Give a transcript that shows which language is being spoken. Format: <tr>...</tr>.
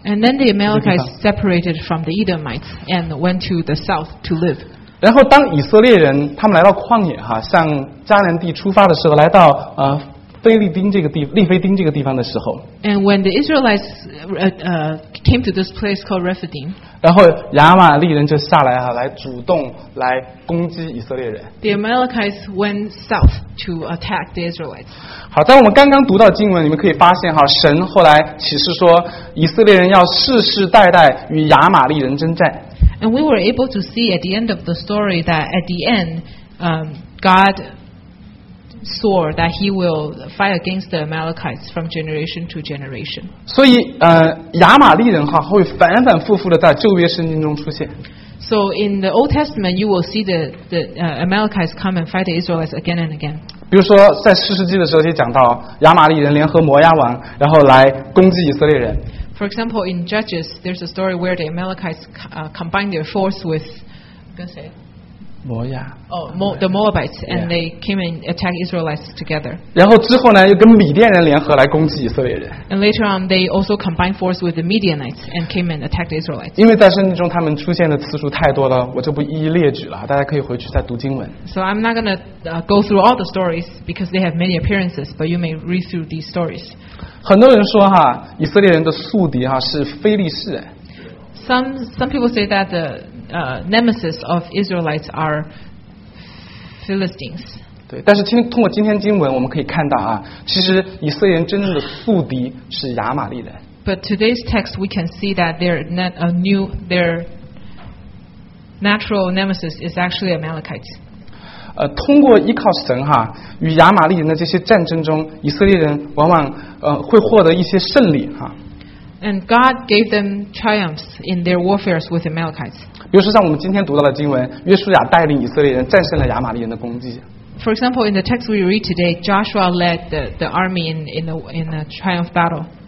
<en>And then the Amalekites separated from the Edomites and went to the south to live.</en> <zh>然后当以色列人他们来到旷野哈，向迦南地出发的时候，来到利非丁这个地方的时候</zh> <en>，and when the Israelites came to this place called Rephidim，</en> <zh>然后亚玛力人就下来哈、啊，来主动来攻击以色列人。</zh> <en>The Amalekites went south to attack the Israelites。</en> <zh>好，在我们刚刚读到经文，你们可以发现哈、啊，神后来启示说，以色列人要世世代代与亚玛力人征战。</zh> <en>And we were able to see at the end of the story that at the end, God. Swore that he will fight against the Amalekites from generation to generation.</en> <zh>So, 亚玛力人哈会反反复复的在旧约圣经中出现。</zh> <en>So in the Old Testament, you will see the Amalekites come and fight the Israelites again and again.</en> <zh>比如说在四世纪的时候就讲到亚玛力人联合摩押王，然后来攻击以色列人。</zh> <en>For example, in Judges, there's a story where the Amalekites combine their force with</en> <zh>跟谁？摩押</zh> <en>the Moabites and they came and attacked Israelites together.</en> <zh>然后之后呢，又跟米甸人联合来攻击以色列人。</zh> <en>And later on, they also combined force with the Midianites and came and attacked Israelites.</en> <zh>因为在圣经中他们出现的次数太多了，我就不一一列举了，大家可以回去再读经文。</zh> <en>So I'm not gonna go through all the stories because they have many appearances, but you may read through these stories.</en> <zh>很多人说哈，以色列人的宿敌哈是非利士人。</zh> <en>Some people say that the nemesis of Israelites are Philistines.</en> <zh>对，但是通过今天经文，我们可以看到啊，其实以色列人真正的宿敌是亚玛力人。</zh> <en>But today's text, we can see that their natural nemesis is actually Amalekites.</en> <zh>通过依靠神哈、啊，与亚玛力人的这些战争中，以色列人往往会获得一些胜利哈、啊。</zh> <en>And God gave them triumphs in their warfare with the Amalekites.</en> <zh>比如说像我们今天读到的经文，约书亚带领以色列人战胜了亚玛力人的攻击。</zh> <en>For example, in the text we read today, Joshua led the army in a triumph battle.</en>